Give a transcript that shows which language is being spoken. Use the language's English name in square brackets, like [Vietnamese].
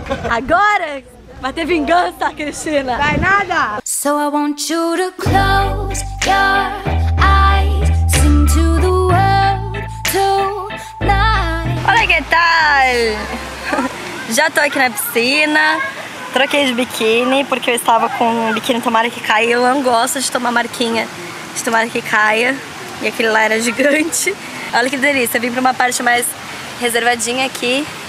[Portuguese] Agora vai ter vingança, Cristina. Vai nada. [English] So I want you to close your eyes, sing to the world tonight. [Portuguese] Olha que tal. Já tô aqui na piscina. Troquei de biquíni porque eu estava com um biquíni tomara que caia. Eu não gosto de tomar marquinha de tomara que caia. E aquele lá era gigante. Olha que delícia. Vim pra uma parte mais reservadinha aqui.